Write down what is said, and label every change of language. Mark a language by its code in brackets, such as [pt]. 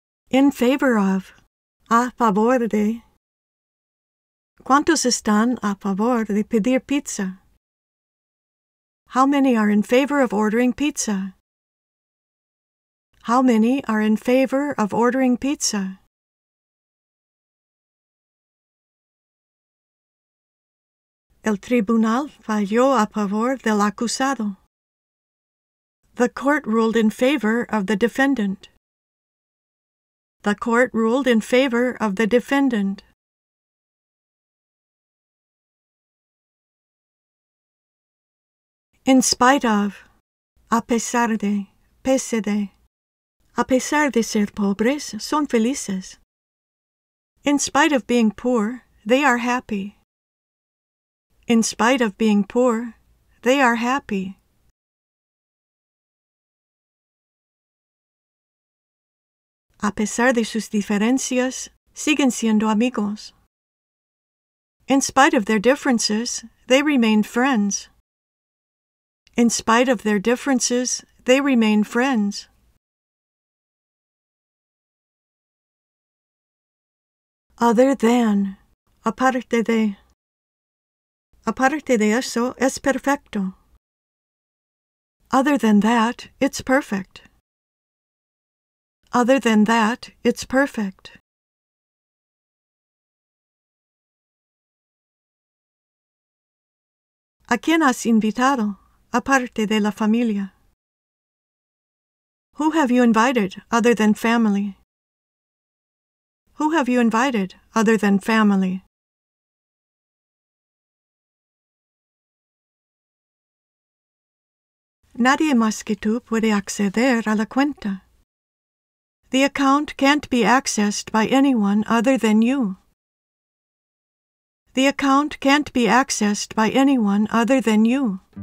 [en] In favor of, [es] a favor de, ¿cuántos están a favor de pedir pizza? [en] How many are in favor of ordering pizza? How many are in favor of ordering pizza? [es] El tribunal falló a favor del acusado. [en] The court ruled in favor of the defendant. The court ruled in favor of the defendant. In spite of, [es] a pesar de, pese de. A pesar de ser pobres, son felices. [en] In spite of being poor, they are happy. In spite of being poor, they are happy. [es] A pesar de sus diferencias, siguen siendo amigos. [en] In spite of their differences, they remain friends. In spite of their differences, they remain friends. Other than, [es] aparte de. Aparte de eso, es perfecto. [en] Other than that, it's perfect. Other than that, it's perfect. [es] ¿A quién has invitado, aparte de la familia? [en] Who have you invited, other than family? Who have you invited, other than family? [es] Nadie más que tú puede acceder a la cuenta. [en] The account can't be accessed by anyone other than you. The account can't be accessed by anyone other than you.